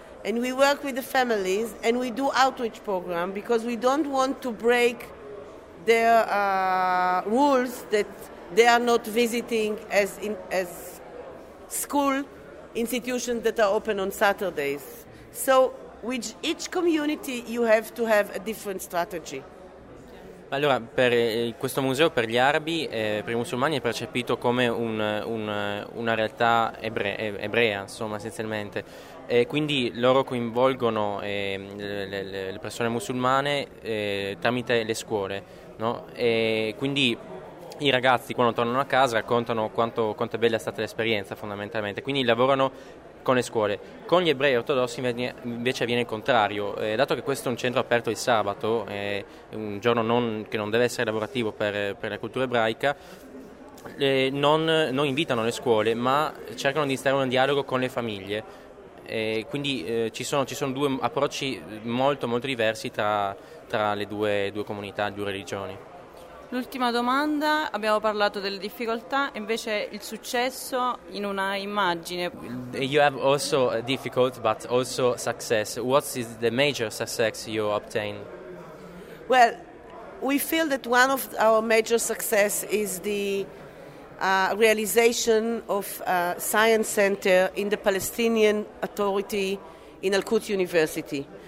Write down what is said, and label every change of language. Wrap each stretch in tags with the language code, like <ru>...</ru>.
<en>And we work with the families and we do outreach program because we don't want to break their rules that they are not visiting as school institutions that are open on Saturdays. So with each community you have to have a different strategy.</en> <it>Allora, per questo museo, per gli arabi, per i musulmani è percepito come una realtà ebrea, insomma, essenzialmente. E quindi loro coinvolgono le persone musulmane tramite le scuole, no? E quindi i ragazzi, quando tornano a casa, raccontano quanto è bella stata l'esperienza, fondamentalmente. Quindi lavorano con le scuole. Con gli ebrei ortodossi invece avviene il contrario, dato che questo è un centro aperto il sabato, è un giorno che non deve essere lavorativo per la cultura ebraica, non invitano le scuole, ma cercano di stare in un dialogo con le famiglie. Quindi ci sono due approcci molto molto diversi tra le due comunità, le due religioni. L'ultima domanda, abbiamo parlato delle difficoltà, invece il successo in una immagine.</it> <en>You have also difficult but also success. What is the major success you obtain? Well, we feel that one of our major success is the realization of a science center in the Palestinian Authority in Al-Quds University.</en>